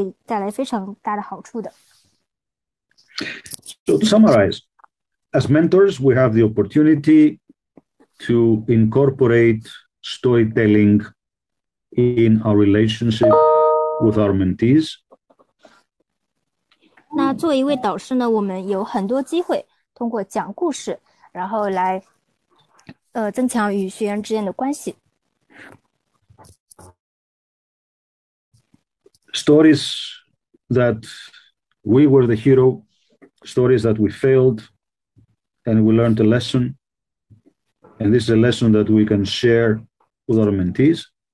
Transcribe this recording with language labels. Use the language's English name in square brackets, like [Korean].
[Chinese] 他在他就是在这个与客户打交道的时候，他可以让他的工作就更高效、更富有成效。如果他在比较麻烦的处境下，更多的利用幽默的话，可以让他业绩大幅提升。那他也理解了，就是有利用自己的优势去跟客户建立一种关系，也是可以带来非常大的好处的。 [English] So to summarize, as mentors, we have the opportunity to incorporate storytelling in our relationship with our mentees. [Chinese] 那作为一位导师呢，我们有很多机会通过讲故事，然后来增强与学员之间的关系。 [English] Stories that we were the hero, stories that we failed, and we learned a lesson, and this is a lesson that we can share with our mentees.